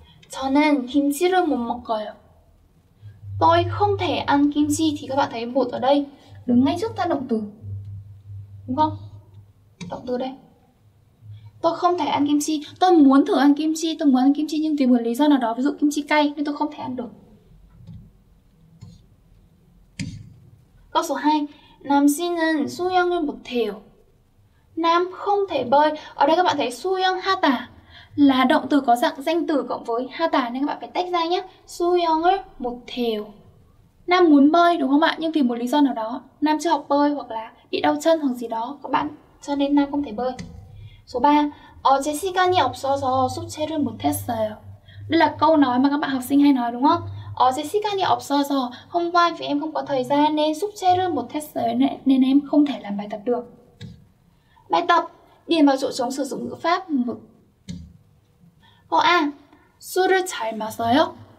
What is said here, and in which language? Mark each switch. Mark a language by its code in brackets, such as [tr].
[ko] 저는 김치를 못 먹어요. [vi] Tôi không thể ăn kim chi. Thì các bạn thấy một ở đây đứng ngay trước thân động từ, đúng không? Động từ đây, tôi không thể ăn kim chi. Tôi muốn thử ăn kim chi, tôi muốn ăn kim chi nhưng vì một lý do nào đó, ví dụ kim chi cay nên tôi không thể ăn được. Câu số 2, [ko] 남씨는 수영을 못해요. [vi] Nam không thể bơi. Ở đây các bạn thấy 수영 하다 là động từ có dạng danh từ cộng với 하다 nên các bạn phải tách ra nhé. [ko] 수영을 못해요. [vi] Nam muốn bơi đúng không ạ? Nhưng vì một lý do nào đó, Nam chưa học bơi hoặc là bị đau chân hoặc gì đó các bạn, cho nên Nam không thể bơi. Số 3, [ko] 어제 시간이 없어서 숙제를 못했어요. [vi] Đây là câu nói mà các bạn học sinh hay nói đúng không? [ko] 어제 시간이 없어서, [vi] hôm qua vì em không có thời gian nên [ko] 숙제를 못했어요, [vi] nên em không thể làm bài tập được. Bài tập, điền vào chỗ trống sử dụng ngữ pháp. Câu A, [ko] 술을 잘 마셔요?